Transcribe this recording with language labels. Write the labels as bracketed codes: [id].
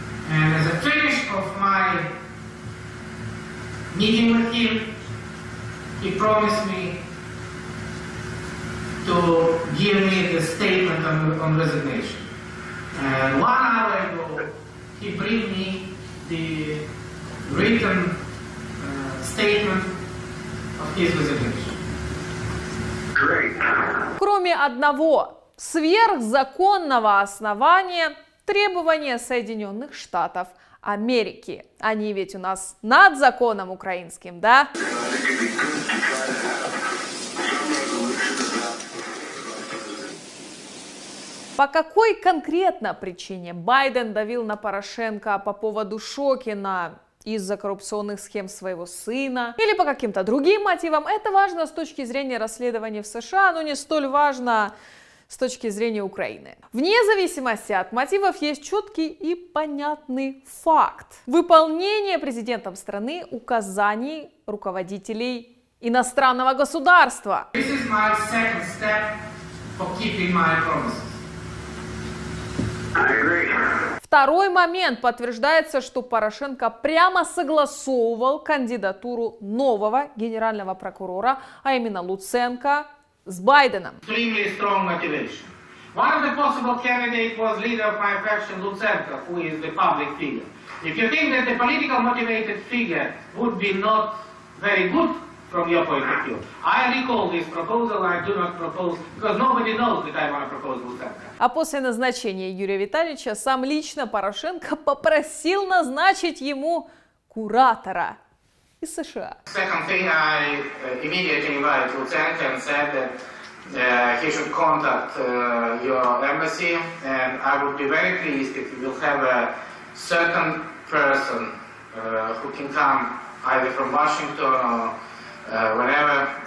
[en] And as a finish of my meeting with him, he promised me to give me the statement on resignation. And 1 hour ago, he brought me the written statement of his resignation. Great. [ru] Кроме одного сверхзаконного основания, требования Соединенных Штатов Америки. Они ведь у нас над законом украинским, да? По какой конкретно причине Байден давил на Порошенко по поводу Шокина из-за коррупционных схем своего сына или по каким-то другим мотивам, это важно с точки зрения расследования в США, но не столь важно с точки зрения Украины. Вне зависимости от мотивов есть четкий и понятный факт. Выполнение президентом страны указаний руководителей иностранного государства. [en] This is my second step for keeping my promises. [ru] Второй момент. Подтверждается, что Порошенко прямо согласовывал кандидатуру нового генерального прокурора, а именно Луценко, с Байденом. [en] Extremely strong motivation. One of the possible candidates was leader of my faction, Луценко, who is the public figure. If you think that the political motivated figure would be not very good from your point of view, I recall this proposal, I do not propose, because nobody knows that I want to propose Луценко. [ru] А после назначения Юрия Витальевича сам лично Порошенко попросил назначить ему куратора из США. [en] Second thing, I immediately invited Luzhenko and said that he should contact your embassy, and I would be very pleased if you will have a certain person who can come either from Washington or whenever.